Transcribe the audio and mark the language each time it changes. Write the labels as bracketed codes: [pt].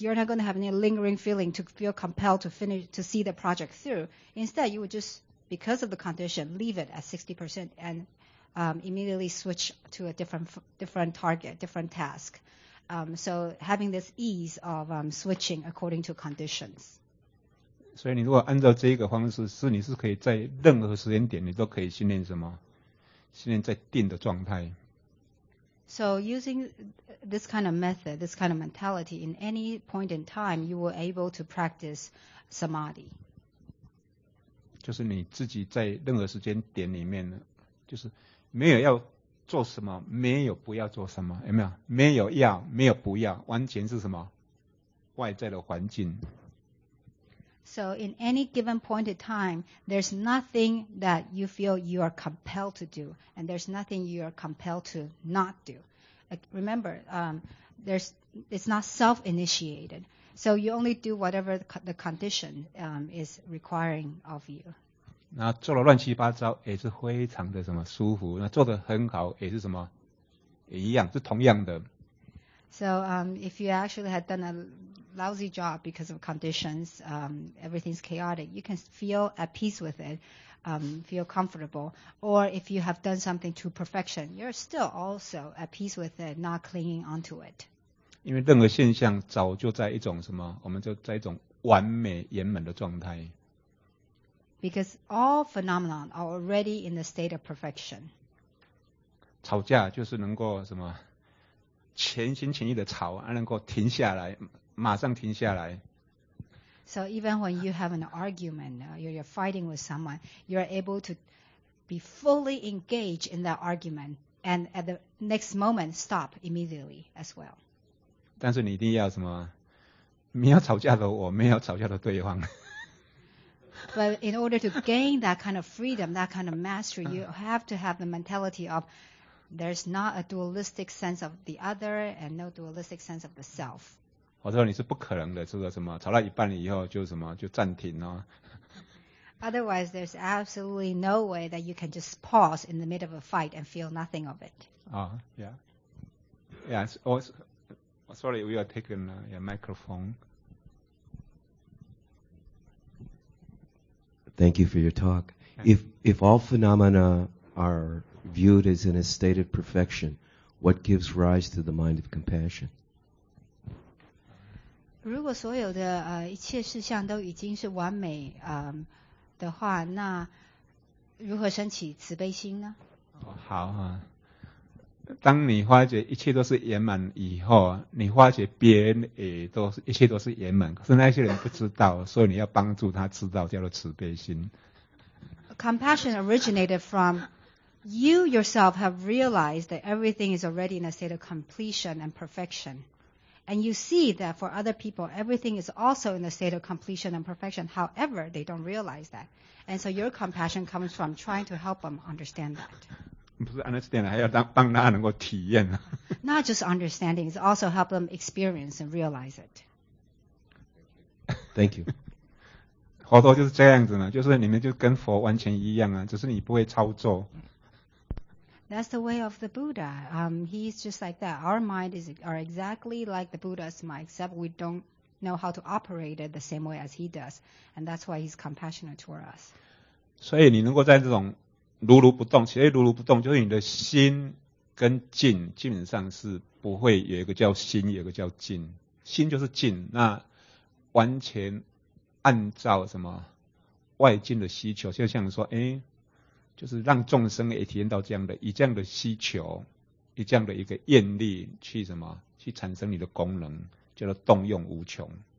[en] You're not going to have any lingering feeling to feel compelled to finish, to see the project through. Instead, you would just, because of the condition, leave it at 60% and immediately switch to a different target, different task. So having this ease of switching according to conditions. [zh] 所以你如果按照这个方式，是你是可以在任何时间点你都可以训练什么？训练在定的状态。 [en] So using this kind of method, this kind of mentality, in any point in time, you were able to practice samadhi. [zh] 就是你自己在任何时间点里面，就是没有要做什么，没有不要做什么，有没有？没有要，没有不要，完全是什么？外在的环境。 [en] So in any given point in time, there's nothing that you feel you are compelled to do, and there's nothing you are compelled to not do. Like, remember, it's not self-initiated. So you only do whatever the condition is requiring of you. [zh] 那做了乱七八糟也是非常的什么舒服，那做得很好也是什么也一样，是同样的。 [en] So, if you actually had done a lousy job because of conditions, everything's chaotic, you can feel at peace with it, feel comfortable. Or if you have done something to perfection, you're still also at peace with it, not clinging onto it. [zh] 因为任何现象早就在一种什么，我们就在一种完美圆满的状态。 [en] Because all phenomena are already in the state of perfection. [zh] 吵架就是能够什么全心全意的吵，还能够停下来，马上停下来。 [en] So even when you have an argument, you're fighting with someone, you're able to be fully engaged in that argument, and at the next moment stop immediately as well. [zh] 但是你一定要什么？没有吵架的我，没有吵架的对方。 [en] But in order to gain that kind of freedom, that kind of mastery, you have to have the mentality of there's not a dualistic sense of the other and no dualistic sense of the self. [zh] 我说你是不可能的，这个什么吵到一半以后就什么就暂停哦。 [en] Otherwise, there's absolutely no way that you can just pause in the middle of a fight and feel nothing of it. Oh, yeah. Yeah, sorry, we are taking your microphone. Thank you for your talk. If all phenomena are viewed as in a state of perfection, what gives rise to the mind of compassion? [zh] 如果所有的一切事项都已经是完美的话，那如何升起慈悲心呢？好啊，当你发觉一切都是圆满以后，你发觉别人也都是一切都是圆满，可是那些人不知道，所以你要帮助他知道，叫做慈悲心。 [en] Compassion originated from you yourself have realized that everything is already in a state of completion and perfection, and you see that for other people everything is also in a state of completion and perfection. However, they don't realize that, and so your compassion comes from trying to help them understand that. [zh] 不是 understand， 还要帮他能够体验。 [en] Not just understanding, it's also help them experience and realize it. Thank you. [zh] 佛陀就是这样子呢，就是你们就跟佛完全一样啊，只是你不会操作。 [en] That's the way of the Buddha. He's just like that. Our mind is are exactly like the Buddha's mind, except we don't know how to operate it the same way as he does, and that's why he's compassionate toward us. [zh] 所以你能够在这种如如不动，其实如如不动就是你的心跟境基本上是不会有一个叫心，有一个叫境。心就是境，那完全按照什么外境的需求，就像说，哎，就是让众生也体验到这样的，以这样的需求，以这样的一个愿力去什么去产生你的功能，叫做动用无穷。